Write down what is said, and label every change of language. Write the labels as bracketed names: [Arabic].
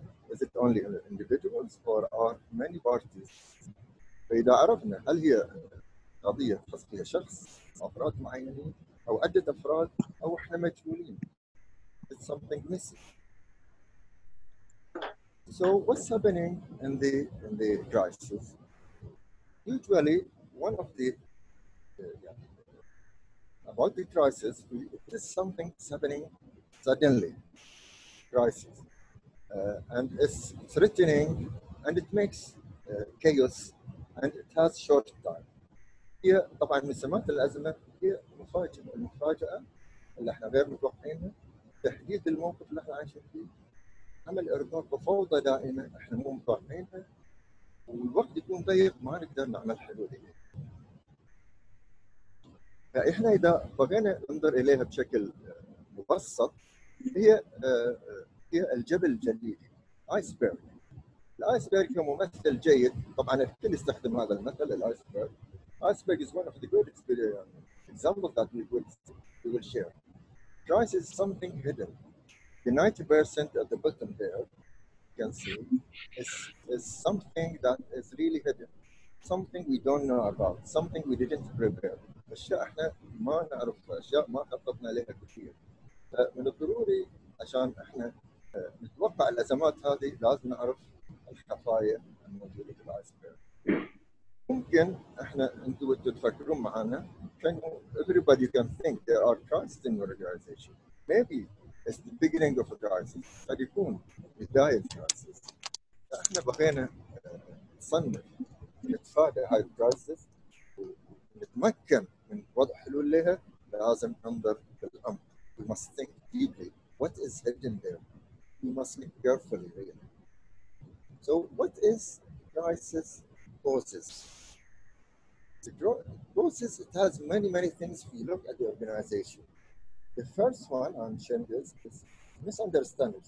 [English] Is it only individuals or are many parties? [Arabic] فإذا عرفنا هل هي قضية خاصة فيها شخص أفراد معينين أو عدة أفراد أو إحنا مجهولين. [English] It's something missing. So what's happening in the crisis? Usually one of the about the crisis it is something happening suddenly. Crisis and it's threatening and it makes chaos. And it has short time. [Arabic] هي طبعا من سمات الأزمة هي مفاجأة، المفاجأة اللي احنا غير متوقعينها، تحديد الموقف اللي احنا عايشين فيه، عمل إرضاء بفوضى دائمة احنا مو متوقعينها، والوقت يكون ضيق ما نقدر نعمل حلول. فإحنا إذا بغينا ننظر إليها بشكل مبسط هي الجبل الجليدي آيسبرغ. الآيسبرغ هو ممثل جيد، طبعاً الكل يستخدم هذا المثل الآيسبرغ. [English] Iceberg is one of the good examples that we will share. Crisis is something hidden. The 90% at the bottom there can see is something that is really hidden. Something we don't know about. Something we didn't prepare. [Arabic] أشياء إحنا ما نعرفها، أشياء ما خططنا لها كثير. من الضروري عشان إحنا نتوقع الأزمات هذه لازم نعرف الخفايا الموجودة في الآيسبرغ. ممكن إحنا أنتوا تتفكرون معنا، [English] can everybody can think there are crises in your organization. Maybe it's the beginning of a crisis. [Arabic] قد يكون بداية crisis. إحنا بغينا نصنف نتفادى هاي الكرايسيس ونتمكن من وضع حلول لها، لازم ننظر بالأمر. [English] We must think deeply. What is hidden there? We must think carefully. Really. So what is crisis causes? The causes, it has many, many things if you look at the organization. The first one I'm sharing this is misunderstanding.